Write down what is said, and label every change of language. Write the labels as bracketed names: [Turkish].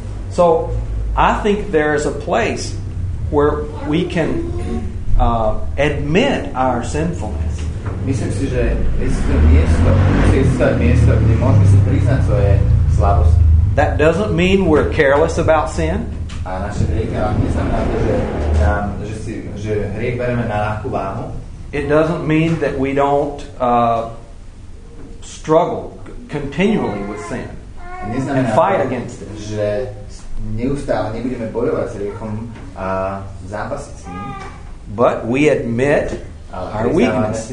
[English] So I think there is a place where we can admit our sinfulness. [Slovak] Myslím si, že existuje miesto, kde môžeme si priznať svoje slabosti. [English] That doesn't mean we're careless about sin. [Slovak] A naše hriechy neznamená to, že hriech bereme na ľahkú váhu. [English] It doesn't mean that we don't struggle continually with sin and fight against it. [Slovak] Že neustále nebudeme bojovať s hriechom a zápasiť s ním. [English] But we admit our weakness.